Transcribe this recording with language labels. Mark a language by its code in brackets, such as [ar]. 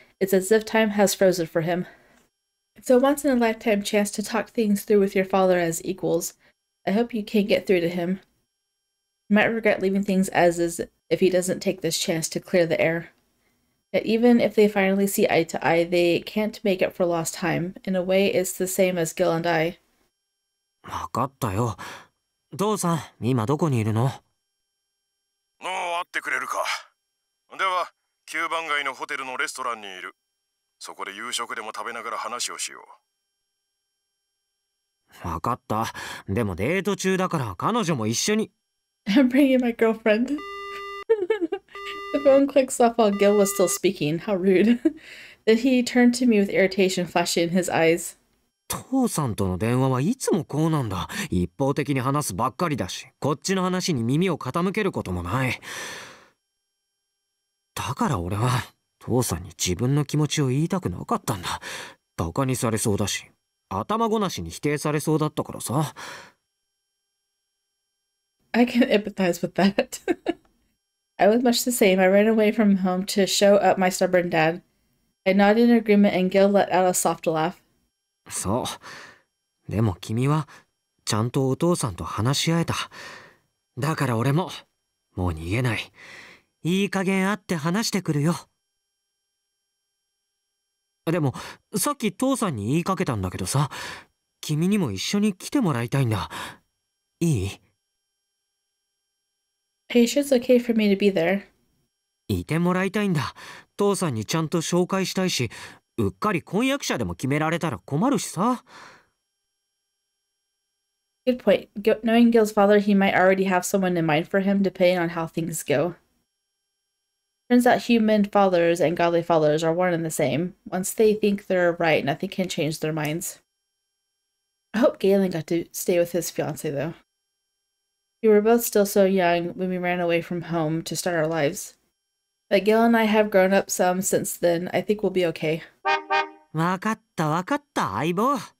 [en] It's as if time has frozen for him. It's a once-in-a-lifetime chance to talk things through with your father as equals. I hope you can get through to him. You might regret leaving things as is if he doesn't take this chance to clear the air. Yet even if they finally see eye to eye, they can't make up for lost time. In a way, it's the same as Gil and I. [ja] 分かったよ。父さん、今どこにいるの? もう会ってくれるか。では、九番街のホテルのレストランにいる。そこで夕食でも食べながら話をしよう。わかった。でもデート中だから彼女も一緒に。 [en] I'm bringing my girlfriend. The phone clicks off while Gil was still speaking. How rude. Then he turned to me with irritation flashing in his eyes. [ja] 父さんとの電話はいつもこうなんだ。一方的に話すばっかりだし、こっちの話に耳を傾けることもない。だから俺は父さんに自分の気持ちを言いたくなかったんだ。バカにされそうだし、頭ごなしに否定されそうだったからさ。 [en] I can empathize with that. I was much the same. I ran away from home to show up my stubborn dad. I nodded in agreement and Gil let out a soft laugh. [ja] そう。でも君はちゃんとお父さんと話し合えた。だから俺ももう逃げない。いい加減会って話してくるよ。でもさっき父さんに言いかけたんだけどさ、君にも一緒に来てもらいたいんだ。いい？ [en] Are you sure it's okay for me to be there? [ja] いてもらいたいんだ。父さんにちゃんと紹介したいし、うっかり婚約者でも決められたら困るしさ。 [en] Good point. Knowing Gil's father, he might already have someone in mind for him depending on how things go. Turns out human fathers and godly fathers are one and the same. Once they think they're right, nothing can change their minds. I hope Galen got to stay with his fiance though. We were both still so young when we ran away from home to start our lives. But Gil and I have grown up some since then. I think we'll be okay. [ja] わかったわかった、相棒。